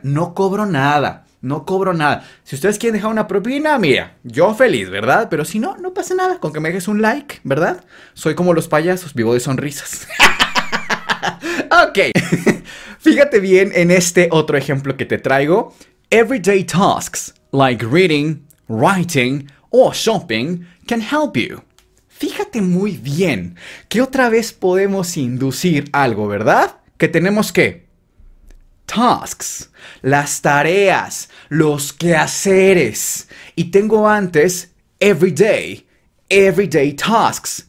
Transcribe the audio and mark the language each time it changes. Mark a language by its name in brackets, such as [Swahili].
[Spanish] No cobro nada, no cobro nada. Si ustedes quieren dejar una propina, mira, yo feliz, ¿verdad? Pero si no, no pasa nada, con que me dejes un like, ¿verdad? Soy como los payasos, vivo de sonrisas. Ok, fíjate bien en este otro ejemplo que te traigo. [English] Everyday tasks like reading, writing or shopping can help you. [Spanish] Fíjate muy bien que otra vez podemos inducir algo, ¿verdad? Que tenemos que tasks, las tareas, los quehaceres. Y tengo antes everyday, everyday tasks.